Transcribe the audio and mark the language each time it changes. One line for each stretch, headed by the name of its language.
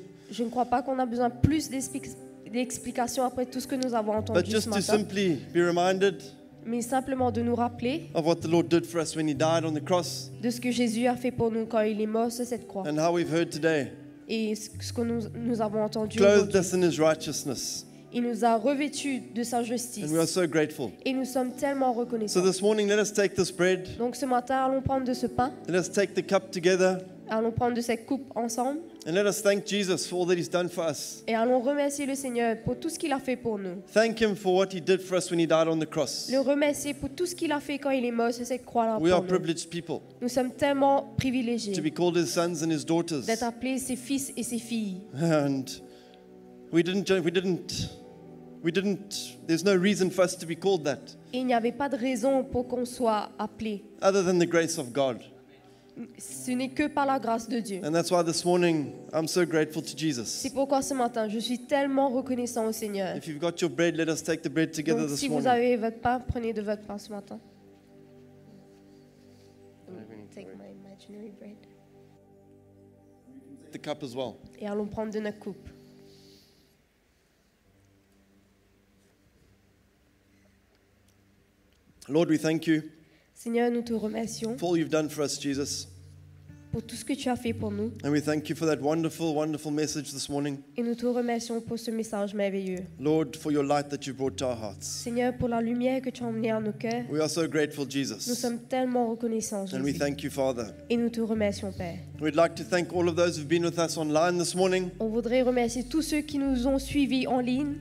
French: Je ne crois pas qu'on a besoin plus d'explications après tout ce que nous avons entendu
English: but just
French: ce matin.
English: To simply be reminded
French: mais simplement de nous rappeler
English: of what the Lord did for us when he died on the cross
French: de ce que Jésus a fait pour nous quand il est mort sur cette croix.
English: And how we've heard today.
French: Et ce que nous avons entendu
English: clothed us in his righteousness.
French: Il nous a revêtus de sa justice.
English: And we are so grateful.
French: Et nous sommes tellement reconnaissants.
English: So this morning, let us take this bread.
French: Donc ce matin, allons prendre de ce pain.
English: Let us take the cup together.
French: Allons prendre de cette coupe ensemble.
English: And let us thank Jesus for all that he's done for us.
French: Et allons remercier le Seigneur pour tout ce qu'il a fait pour nous.
English: Thank him for what he did for us when he died on the cross.
French: Le remercier pour tout ce qu'il a fait quand il est mort sur cette croix là pour nous.
English: We are privileged people.
French: Nous sommes tellement privilégiés.
English: To be called his sons and his daughters.
French: D'être appelés ses fils et ses filles.
English: And we didn't. There's no reason for us to be called that.
French: Il n'y avait pas de raison pour qu'on soit appelé.
English: Other than the grace of God.
French: Ce n'est que par la grâce de Dieu.
English: And that's why this morning I'm so grateful to Jesus.
French: C'est pourquoi ce matin je suis tellement reconnaissant au Seigneur.
English: If you've got your bread, let us take the bread together this morning.
French: Donc si vous avez votre pain, prenez de votre pain ce matin.
English: Take my imaginary bread. The cup as well.
French: Et allons prendre de notre coupe.
English: Lord, we thank you.
French: Seigneur, nous te remercions.
English: For all you've done for us, Jesus.
French: Pour tout ce que tu as fait pour nous.
English: And we thank you for that wonderful, wonderful message this morning.
French: Et nous te remercions pour ce message merveilleux.
English: Lord, for your light that you brought to our hearts.
French: Seigneur, pour la lumière que tu as emmenée à nos cœurs.
English: We are so grateful, Jesus.
French: Nous sommes tellement reconnaissants, Jésus.
English: And we thank you, Father.
French: Et nous te remercions, Père.
English: We'd like to thank all of those who've been with us online this morning.
French: On voudrait remercier tous ceux qui nous ont suivis en ligne.